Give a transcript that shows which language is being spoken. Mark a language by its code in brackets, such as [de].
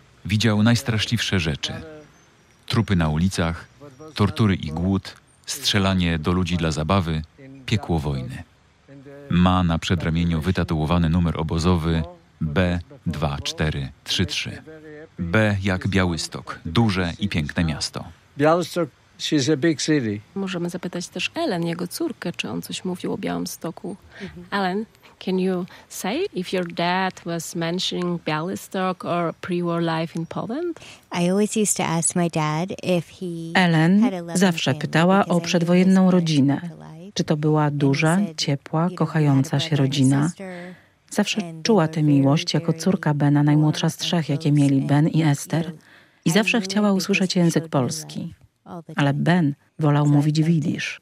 [pl] Widział najstraszliwsze rzeczy. Trupy na ulicach, tortury i głód, strzelanie do ludzi dla zabawy, piekło wojny. Ma na przedramieniu wytatuowany numer obozowy B2433. B jak Białystok, duże i piękne miasto. [en] Białystok, she's a big city. [pl] Możemy zapytać też Ellen, jego córkę, czy on coś mówił o Białymstoku. [en] Ellen, can you say if your dad was mentioning Białystok or pre-war life in Poland? I always used to ask my dad if he [pl] Ellen zawsze pytała o przedwojenną rodzinę. Czy to była duża, ciepła, kochająca się rodzina? Zawsze czuła tę miłość jako córka Bena, najmłodsza z trzech, jakie mieli Ben i Esther. I zawsze chciała usłyszeć język polski. Ale Ben wolał mówić widysz.